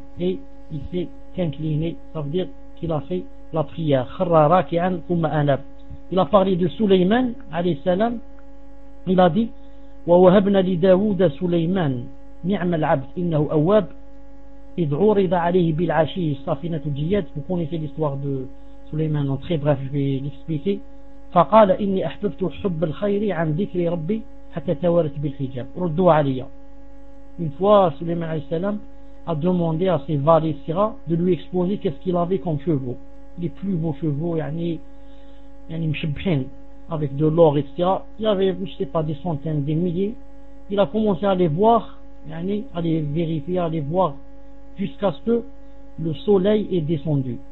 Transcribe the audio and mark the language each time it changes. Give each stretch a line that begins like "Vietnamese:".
French: Et il s'est incliné, ça veut dire qu'il a fait la prière
Arabic: خَرَّ رَاكِعًا ثُمَّ أَنَابَ.
French: Il a parlé de Suleyman alayhi salam, il a dit
Arabic: وَوَهَبْنَا لِدَاوُدَ سُلَيْمَانَ نِعْمَ الْعَبْدُ إِنَّهُ أَوَّابٌ إِذْ عُرِضَ عَلَيْهِ بِالْعَشِيِّ الصَّافِنَةُ الْجِيَّادُ.
French: Vous connaissez l'histoire de Suleyman, en très bref je vais l'expliquer.
Arabic: فقال إني أحببت حب الخير عن ذكر ربي حتى توارت بالحجاب. ردوا عليا.
French: Une fois Suleyman alayhi salam a demandé à ses valets de lui exposer qu'est-ce qu'il avait comme chevaux, les plus beaux chevaux,
Arabic: يعني مشبحين,
French: avec de l'or, etc. Il y avait, je ne sais pas, des centaines, des milliers. Il a commencé à les voir, يعني, à les vérifier, à les voir, jusqu'à ce que le soleil est descendu.